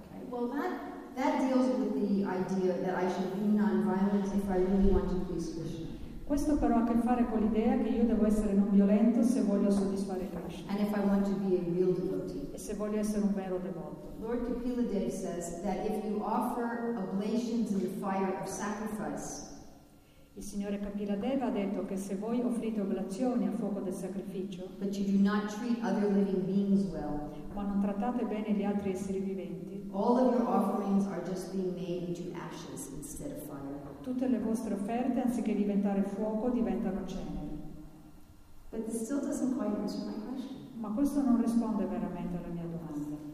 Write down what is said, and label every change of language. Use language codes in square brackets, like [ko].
[en] Well, that deals with the idea that I should be non-violent if I really want to please Krishna. [it] Questo però ha a che fare con l'idea che io devo essere non violento se voglio soddisfare Krishna. [en] And if I want to be a real devotee. [it] E se voglio essere un vero devoto. [en] Lord Kapila Dev says that if you offer oblations in the fire of sacrifice. [it] Il signore Kapila Dev ha detto che se voi offrite oblazioni al fuoco del sacrificio. [en] But you do not treat other living beings well. [it] Ma non trattate bene gli altri esseri viventi. [en] All of your offerings are just being made into ashes instead of fire. [it] Tutte le vostre offerte, anziché diventare fuoco, diventano cenere. [en] But this still doesn't quite answer my question. [it] Ma questo non risponde veramente alla mia domanda.